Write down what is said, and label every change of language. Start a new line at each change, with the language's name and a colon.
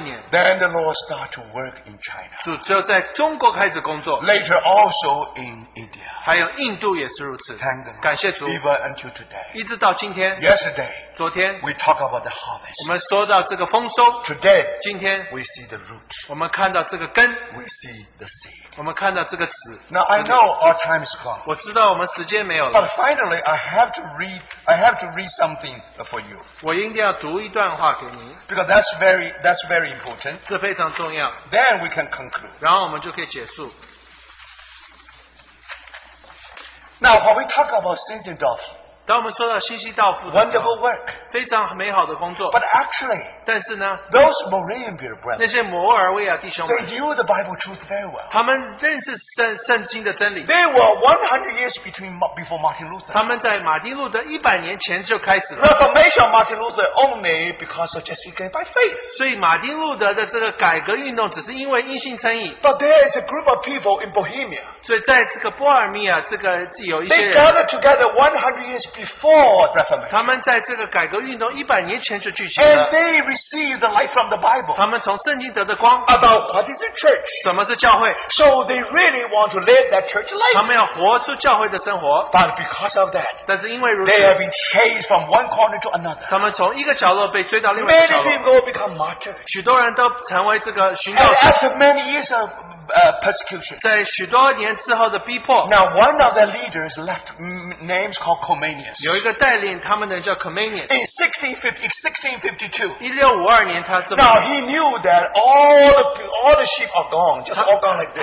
English: Then the Lord started to work in China.
Chinese: 就只有在中国开始工作,
English: later also in India.
Chinese: 还有印度也是如此,
English: thank them.
Chinese: 感谢主,
English: even until today.
Chinese: 一直到今天,
English: yesterday.
Chinese: 昨天,
English: we talk about the harvest.
Chinese: 我们说到这个丰收,
English: today,
Chinese: 今天,
English: we see the root.
Chinese: 我们看到这个根,
English: we see the seed.
Chinese: 我们看到这个籽,
English: now I know our time is gone.
Chinese: 我知道我们时间没有了,
English: but finally I have to read something for you.
Chinese: 我一定要读一段话给你,
English: because that's very important.
Chinese: 这非常重要,
English: then we can conclude.
Chinese: 然后我们就可以结束。
English: Now when we talk about seeds and dolphins,
Chinese: 当我们说到西西道夫,
English: wonderful work,
Chinese: 非常美好的工作,
English: but actually,
Chinese: 但是呢,
English: those Moravian brothers,
Chinese: 那些摩尔维亚弟兄们,
English: they knew the Bible truth very well.
Chinese: 他们认识圣经的真理,
English: they were 100 years before Martin Luther.
Chinese: 他们在马丁路德100年前就开始了,
English: Reformation of Martin Luther only because of justification by faith.
Chinese: 所以马丁路德的这个改革运动只是因为因信称义,
English: but there is a group of people in Bohemia,
Chinese: 所以在这个波尔密亚, 这个有一些人,
English: they gathered together 100 years before Reformation.
Chinese: 他们在这个改革运动100年前就聚集了,
English: and they received the light from the Bible.
Chinese: 他们从圣经得的光,
English: about what is a church?
Chinese: 什么是教会?
English: So they really want to live that church life.
Chinese: 他们要活出教会的生活,
English: but because of that,
Chinese: 但是因为如此,
English: they have been chased from one corner to another.
Chinese: 他们从一个角落被追到另外一个角落,
English: many people will become martyrs.
Chinese: 许多人都成为这个寻道者,
English: and after many years of persecution,
Chinese: 在许多年之后的逼迫,
English: now one of the leaders left names called Comenius.
Chinese: 有一个带领他们的叫Comenius,
English: in 1652,
Chinese: 1652年, 他这么,
English: now he knew that all the sheep are gone, just 他, all gone like this.